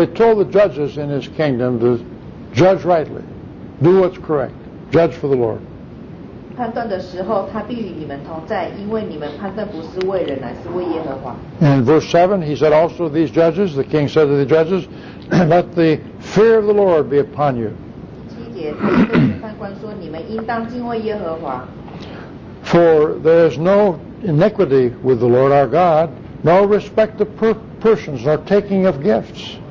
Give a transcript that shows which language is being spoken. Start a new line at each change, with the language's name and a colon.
English: he told the judges in his kingdom to judge rightly, do what's correct, judge for the Lord.
Chinese: 判断的时候,他必与你们同在,因为你们判断不是为人来,是为耶和华。
English: And in verse 7, he said also to these judges, the king said to the judges, let the fear of the Lord be upon you.
Chinese: 第七节,他对判官说,你们应当敬畏耶和华。
English: For there is no iniquity with the Lord our God, no respect of persons, nor taking of gifts.